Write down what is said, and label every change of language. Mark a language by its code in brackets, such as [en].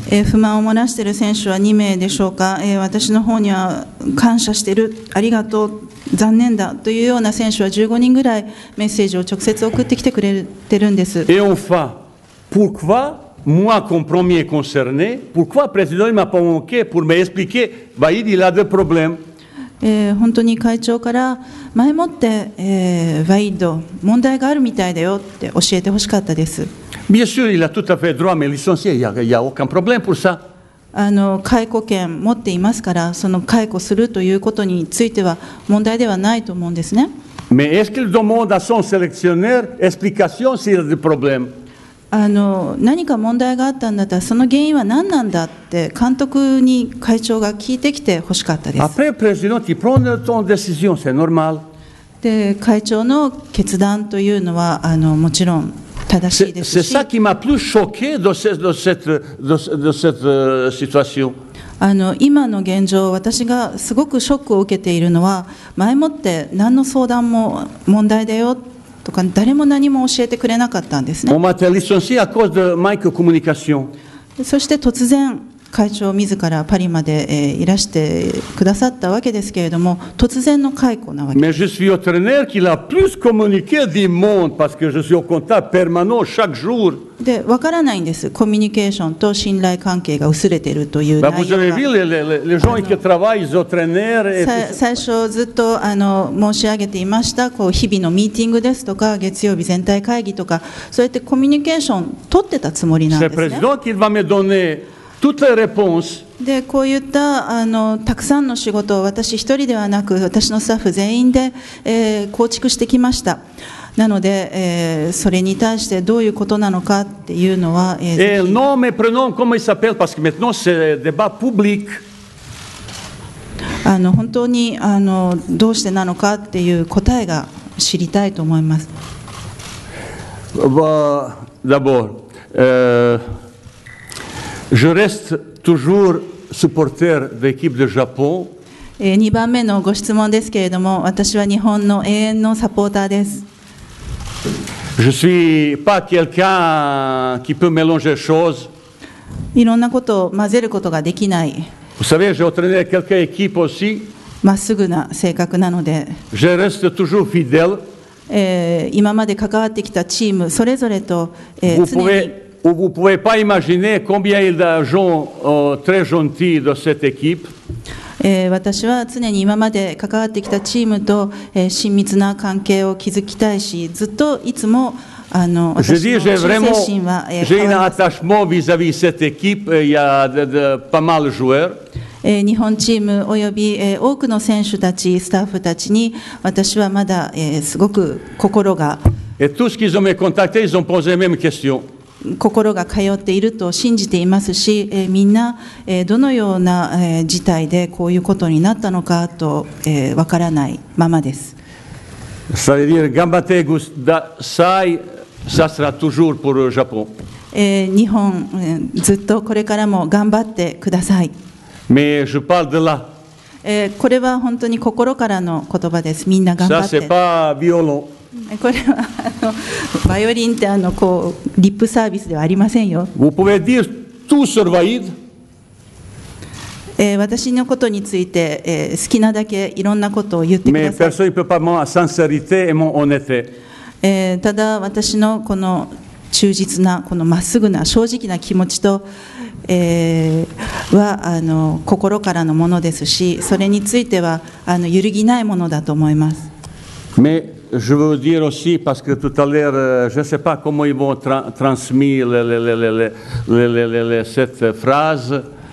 [ja] 不満を漏らしている選手は2名でしょうか。私の方には感謝してる、ありがとう、残念だというような選手は15人ぐらいメッセージを直接送ってきてくれてるんです。 [fr] Et enfin, pourquoi moi comme premier concerné, pourquoi président il m'a pas convoqué pour m'expliquer, Vahid il a des problèmes? [ja] 本当に会長から前もって、ワイド問題があるみたいだよって教えてほしかったです。 [fr] Bien sûr, il a tout à fait droit, mais licencié, il n'y a aucun problème pour ça. [ja] 解雇権持っていますから、その解雇するということについては問題ではないと思うんですね。 [fr] Mais est-ce qu'il demande à son sélectionneur explication s'il y a des problèmes? [ja] 何か問題があったんだったらその原因は何なんだって監督に会長が聞いてきてほしかったです。 [fr] Après, président, il prend son décision, c'est normal. [ja] で会長の決断というのはもちろん正しいですし、 [fr] c'est ça qui m'a plus choqué de cette situation. [ja] 今の現状、私がすごくショックを受けているのは、前もって何の相談も問題だよとか誰も何も教えてくれなかったんですね。 [fr] On m'a été licencié à cause de manque de communication。 [ja] そして突然会長自らパリまでいらしてくださったわけですけれども、突然の解雇なわけです。 [fr] Mais je suis entraîneur qui l'a plus communiqué du monde parce que je suis au contact permanent chaque jour。 [ja] で、わからないんです。コミュニケーションと信頼関係が薄れているという内容が。 [fr] Bah, vous avez vu les gens qui travaillent au trainer et [ja] 最初ずっと申し上げていました、こう日々のミーティングですとか月曜日全体会議とか、そうやってコミュニケーション取ってたつもりなんですね。 [fr] C'est le président qui va me donner toutes les réponses。 [ja] で、こういったたくさんの仕事を私一人ではなく私のスタッフ全員で、構築してきました。なので、それに対してどういうことなのかっていうのは、 [fr] nome, prénom, comment il s'appelle? Parce que maintenant c'est débat public. [ja] 本当にどうしてなのかっていう答えが知りたいと思います。 [fr] D'abord, je reste toujours supporter de l'équipe de Japon. [ja] 2番目のご質問ですけれども、私は日本の永遠のサポーターです。 [fr] Je suis pas quelqu'un qui peut mélanger choses. [ja] いろんなことを混ぜることができない。 [fr] Vous savez, j'ai entraîné quelques équipes aussi. [ja] まっすぐな性格なので。 [fr] Je reste toujours fidèle. [ja] 今まで関わってきたチームそれぞれと、常に。 [fr] Vous pouvez pas imaginer combien il y a de gens très gentils de cette équipe. [ja] 私は常に今まで関わってきたチームと、親密な関係を築きたいし、ずっといつも私の忠誠心は変わらず。 [fr] J'ai un vis-à-vis cette équipe, il y a de pas mal joueurs. [ja] 日本チームおよび多くの選手たち、スタッフたちに私はまだすごく心が。 [fr] Et tous qui ont me contacté, ils ont posé les mêmes questions. [ja] 心が通っていると信じていますし、みんな、どのような、事態でこういうことになったのかと、分からないままです。日本、ずっとこれからも頑張ってください。これは本当に心からの言葉です。みんな頑張って。これはバイオリンってこうリップサービスではありませんよ。私のことについて、好きなだけいろんなことを言ってください。ただ私のこの忠実なこのまっすぐな正直な気持ちと、は心からのものですし、それについては揺るぎないものだと思います。 [fr] Je veux dire aussi parce que tout à l'heure, je ne sais pas comment ils vont transmettre cette phrase.